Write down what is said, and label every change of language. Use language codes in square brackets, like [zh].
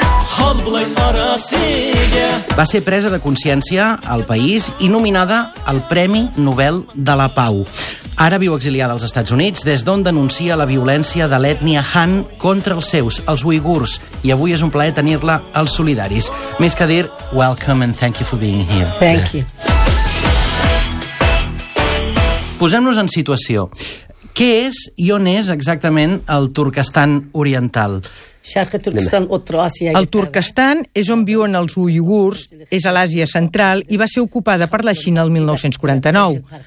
[ca] Va ser presa de consciència al país i nominada al Premi Nobel de la Pau. Ara viu exiliada als Estats Units, des d'on denuncia la violència de l'ètnia Han contra els seus, els uigurs. I avui és un plaer tenir-la als solidaris. Més que dir, [en] welcome and thank you for being here. Thank you. [ca] Posem-nos en situació. Què és i on és exactament el Turkestan Oriental? El Turquestan és on viuen els uigurs, és a l'Àsia Central i va ser ocupada per la Xina el 1949.